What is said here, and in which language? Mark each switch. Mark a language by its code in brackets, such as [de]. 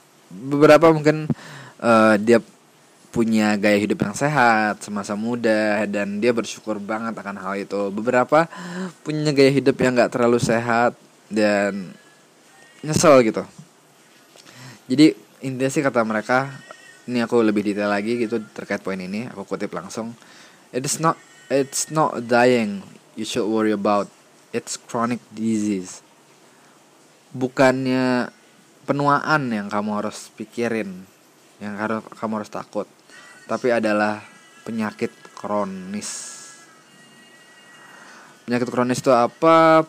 [id] Beberapa mungkin dia punya gaya hidup yang sehat semasa muda dan dia bersyukur banget akan hal itu. Beberapa punya gaya hidup yang gak terlalu sehat dan nyesel gitu. Jadi intinya sih kata mereka, ini aku lebih detail lagi gitu terkait poin ini, aku kutip langsung. [en] It's not dying you should worry about. It's chronic disease. [id] Bukannya penuaan yang kamu harus pikirin, yang harus kamu harus takut, tapi adalah penyakit kronis. Penyakit kronis itu apa?